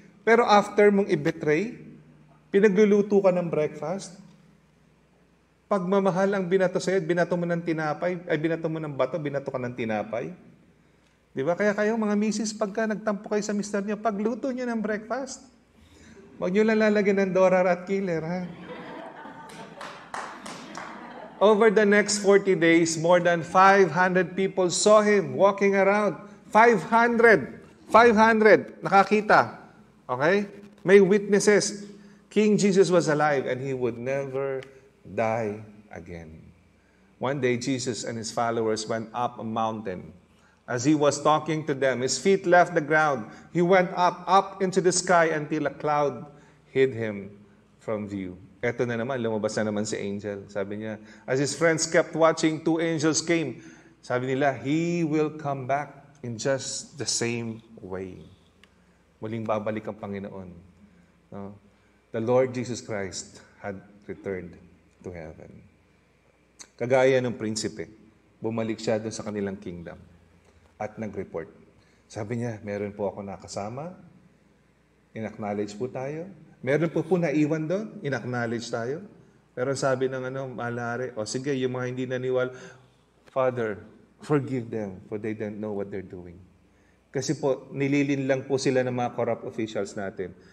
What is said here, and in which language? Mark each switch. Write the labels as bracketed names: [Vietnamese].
[Filipino] Pero after mong i-betray, pinagluluto ka ng breakfast, pagmamahal ang binato sa'yo, binato mo ng tinapay, ay binato mo ng bato, binato ka ng tinapay. Di ba? Kaya kayo, mga misis, pagka nagtampo kayo sa mister niyo, pagluto niyo ng breakfast, huwag niyo lang lalagyan ng Dora Rat Killer, ha? [English] Over the next 40 days, more than 500 people saw him walking around. [Filipino] 500! Nakakita. Okay? May witnesses. [English] King Jesus was alive and he would never die again. One day, Jesus and his followers went up a mountain. As he was talking to them, his feet left the ground. He went up, up into the sky until a cloud hid him from view. [Filipino] Eto na naman, lumabas na naman si Angel. Sabi niya, [English] as his friends kept watching, two angels came. [Filipino] Sabi nila, [English] he will come back in just the same way. [Filipino] Muling babalik ang Panginoon. No? [English] The Lord Jesus Christ had returned to heaven. [Filipino] Kagaya ng prinsipe, bumalik siya doon sa kanilang kingdom. At nag-report. Sabi niya, meron po ako nakasama. In-acknowledge po tayo. Meron po naiwan doon. In-acknowledge tayo. Pero sabi ng malari, o sige, yung mga hindi naniwala, [English] Father, forgive them for they don't know what they're doing. [Filipino] Kasi po, nililin lang po sila ng mga corrupt officials natin.